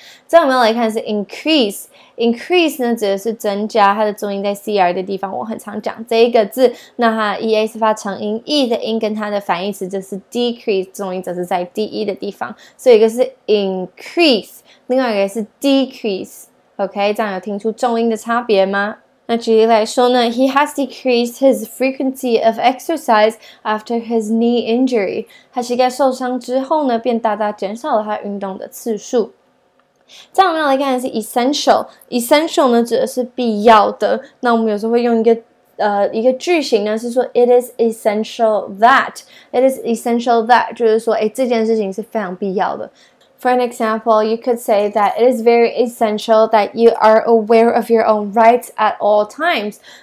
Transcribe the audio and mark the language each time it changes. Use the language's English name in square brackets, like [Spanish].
[Chinese] 再我们来看是 increase，increase 呢指的是增加，它的重音在 cr 的地方，我很常讲这一个字。那它 ea 是发长音 ，e 的音跟它的反义词就是 decrease， 重音则是在 de 的地方，所以一个是 increase， 另外一个是 decrease。OK， 这样有听出重音的差别吗？那举例来说呢 [English] ，He has decreased his frequency of exercise after his knee injury. [Chinese] 他膝盖受伤之后呢，便大大减少了他运动的次数。再我们来看的是 essential 呢，指的是必要的。那我们有时候会用一个句型呢，是说 [English] It is essential that. It is essential that [Chinese] 就是说，哎，这件事情是非常必要的。 [English] For an example, you could say that it is very essential that you are aware of your own rights at all times.